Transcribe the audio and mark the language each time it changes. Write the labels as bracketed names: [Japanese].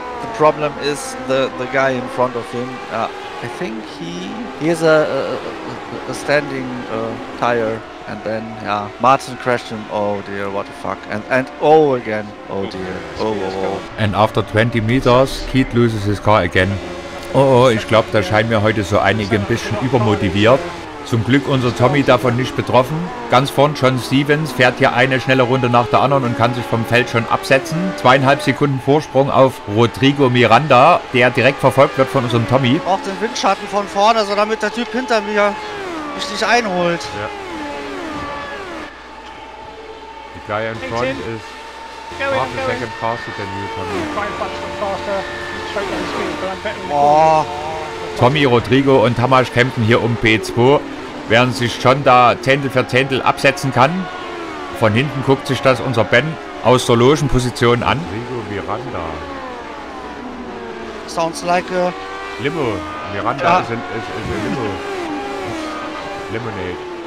[English] The problem is the guy in front of him. I think he is a standing tire, and then yeah, Martin crashed him. Oh dear, what the fuck! And oh again, oh dear, oh. And after 20 meters, Keith loses his car again. [German] Oh, ich glaube, da scheinen wir heute so einige ein bisschen übermotiviert. Zum Glück unser Tommy davon nicht betroffen. Ganz vorn John Stevens fährt hier eine schnelle Runde nach der anderen und kann sich vom Feld schon absetzen. 2,5 Sekunden Vorsprung auf Rodrigo Miranda, der direkt verfolgt wird von unserem Tommy. Auch den Windschatten von vorne, so damit der Typ hinter mir mich nicht einholt. Ja. [English] The guy in front is half a second faster than you, Tommy. Oh. [German] Tommy, Rodrigo und Tamás kämpfen hier um P2, während sich John da Zehntel für Zehntel absetzen kann. Von hinten guckt sich das unser Ben aus der Logenposition an. Rodrigo Miranda. [English] Sounds like a... [German] Limo. Miranda ist ein Limo. Lemonade.